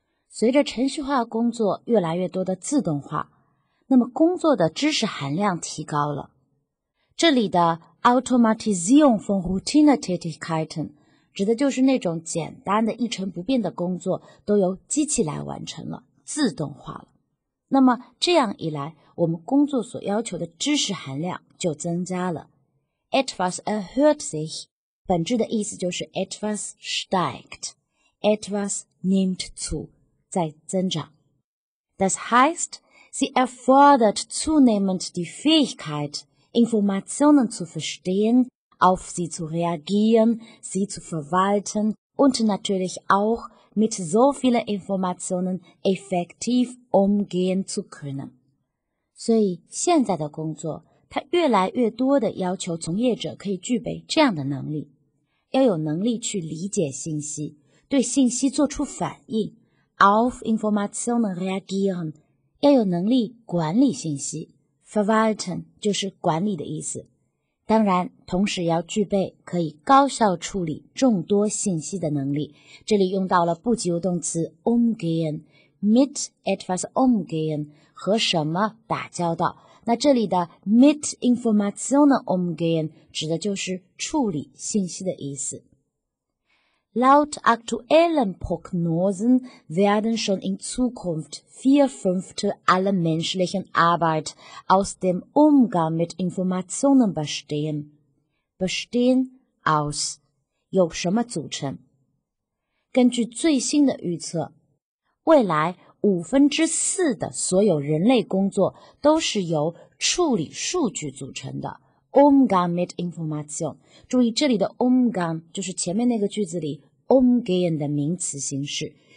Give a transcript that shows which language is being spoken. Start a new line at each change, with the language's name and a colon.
Chinese: 随着程序化工作越来越多的自动化，那么工作的知识含量提高了。这里的
German: Automatisierung von Routinetätigkeiten
Chinese: 指的就是那种简单的一成不变的工作都由机器来完成了，自动化了。那么这样一来，我们工作所要求的知识含量就增加了。
German: Etwas erhöht sich，
Chinese: 本质的意思就是
German: etwas steigt， etwas nimmt zu，
Chinese: 在增长。
German: Das heißt, sie erfordert zunehmend die Fähigkeit, Informationen zu verstehen, auf sie zu reagieren, sie zu verwalten und natürlich auch,mit so vielen Informationen effektiv umgehen zu können.
Chinese: 所以现在的工作，它越来越多地要求从业者可以具备这样的能力，要有能力去理解信息，对信息做出反应，
German: auf Informationen reagieren，
Chinese: 要有能力管理信息， verwalten 就是管理的意思。当然，同时要具备可以高效处理众多信息的能力。这里用到了不及物动词 umgehen，
German: mit etwas umgehen，
Chinese: 和什么打交道。那这里的
German: mit Informationen umgehen
Chinese: 指的就是处理信息的意思。
German: Laut aktuellen Prognosen werden schon in Zukunft 4/5 aller menschlichen Arbeit aus dem Umgang mit Informationen bestehen. Bestehen aus
Chinese: 有什么组成？根据最新的预测，未来五分之四的所有人类工作都是由处理数据组成的。
German: Umgang mit Information，
Chinese: 注意这里的 Umgang 就是前面那个句子里umgehen 的名词形式，